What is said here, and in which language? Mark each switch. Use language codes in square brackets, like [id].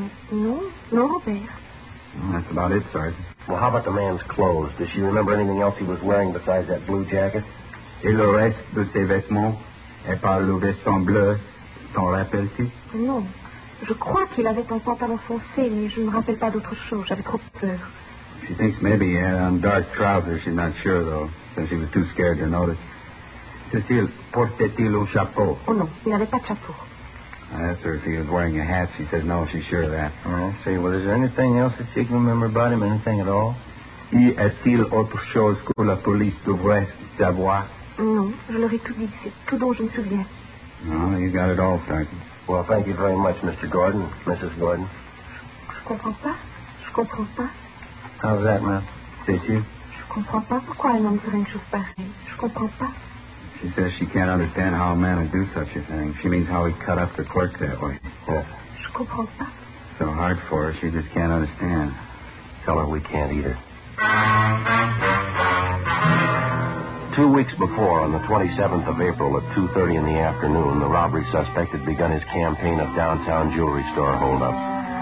[fr] Non, non, Robert. [en] That's about it, Sergeant. Well, how about the man's clothes? Does she remember anything else he was wearing besides that blue jacket? [fr] Et le reste de ses vêtements? Et pas le veston bleu? T'en rappelles-tu? Non. Je crois qu'il avait un pantalon foncé, mais je ne me rappelle pas d'autre chose. J'avais trop peur. [en] She thinks maybe he had on dark trousers. She's not sure, though, since she was too scared to notice. [fr] Cécile, portait-il un chapeau? Oh, non. Il n'avait pas de chapeau. [en] I asked her if he was wearing a hat. She said no, she's sure of that. Oh, see. Well, is there anything else that she can remember about him? Anything at all? [fr] Y a-t-il autre chose que la police devrait savoir? Non, je leur ai tout dit. C'est tout dont je me souviens. [en] Oh, you got it all, Sergeant. Well, thank you very much, Mr. Gordon, Mrs. Gordon. [fr] Je comprends pas. Je comprends pas. [en] How's that, ma'am? Did you? [fr] Je comprends pas pourquoi un homme ferait une chose pareille. Je comprends pas. [en] She says she can't understand how a man would do such a thing. She means how he cut up the clerk that way. Yeah. [fr] Je comprends pas. [en] So hard for her, she just can't understand. Tell her we can't either. 2 weeks before, on the 27th of April at 2:30 in the afternoon, the robbery suspect had begun his campaign of downtown jewelry store holdups.